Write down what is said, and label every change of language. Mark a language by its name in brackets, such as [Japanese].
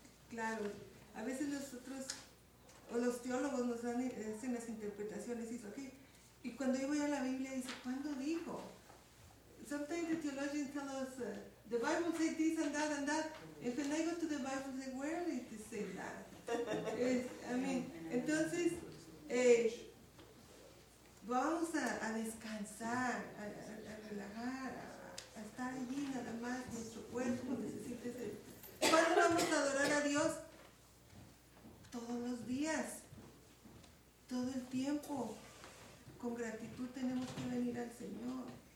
[Spanish] Claro, a veces nosotros, o los teólogos nos hacen las interpretaciones y eso, okay. Y cuando yo voy a la Biblia, dice, ¿cuándo dijo? [English] Sometimes the theologians tell us, the Bible says this and that and that. And when I go to the Bible, I say, where did it say that? [Spanish] Entonces, vamos a descansar, a relajar, a estar allí nada más, nuestro cuerpo necesita ese. ¿Cuándo vamos a adorar a Dios? Todos los días, todo el tiempo, con gratitud tenemos que venir al Señor.